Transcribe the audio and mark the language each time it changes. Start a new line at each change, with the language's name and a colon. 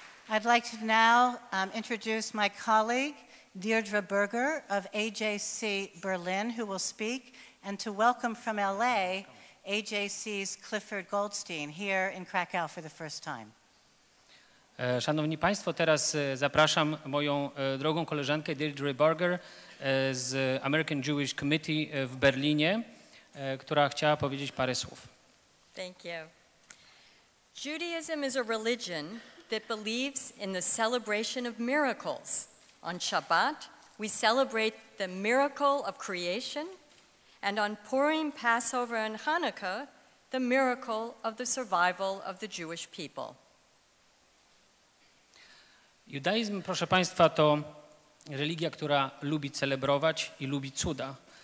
English: I'd like to now introduce my colleague, Deirdre Berger of AJC Berlin, who will speak, and to welcome from LA, AJC's Clifford Goldstein, here in Krakow for the first time.
Polish: Szanowni Państwo, teraz zapraszam moją drogą koleżankę Deirdre Barger z American Jewish Committee w Berlinie, która chciała powiedzieć parę słów.
English: Thank you. Judaism is a religion that believes in the celebration of miracles. On Shabbat, we celebrate the miracle of creation, and on Purim, Passover, and Hanukkah, the miracle of the survival of the Jewish people.
Polish: Judaizm, proszę Państwa, to religia, która lubi celebrować i lubi cuda.